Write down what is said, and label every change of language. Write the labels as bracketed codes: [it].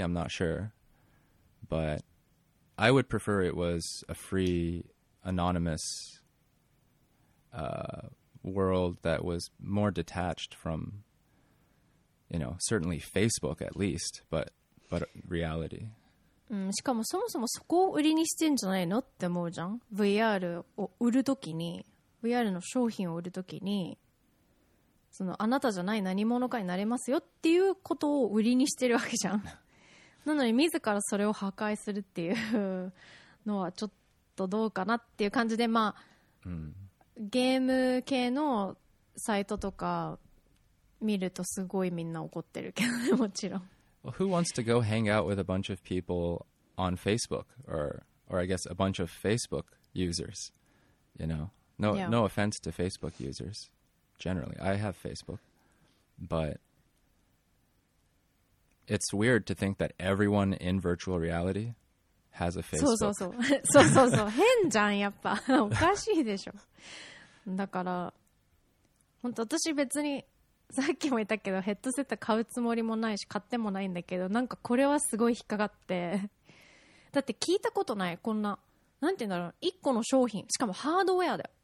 [en] I'm not sure, but I would prefer it was a free, anonymous world that was more detached from, you know, certainly Facebook at least, but reality. [ja] しかもそもそもそこを売りにしてんじゃないのって思うじゃん。 VR を売るときに、 VR の商品を売るときにそのあなたじゃない何者かになれますよっていうことを売りにしてるわけじゃん。なのに自らそれを破壊するっていうのはちょっとどうかなっていう感じで、まあ、うん、ゲーム系のサイトとか見るとすごいみんな怒ってるけどね、もちろん。 [en] Well, who wants to go hang out with a bunch of people on Facebook or I guess a bunch of Facebook users, you know? No, yeah. No offense to Facebook users. Generally, I have Facebook, but it's weird to think that everyone in virtual reality has a Facebook. [ja] そうそうそう。そうそうそう。変じゃん、やっぱ。おかしいでしょ。だから、本当私別にさっきも言ったけどヘッドセット買うつもりもないし買ってもないんだけど、なんかこれはすごい引っかかって。だって聞いたことない、こんな、なんて言うんだろう、1個の商品、しかもハードウェアだよ。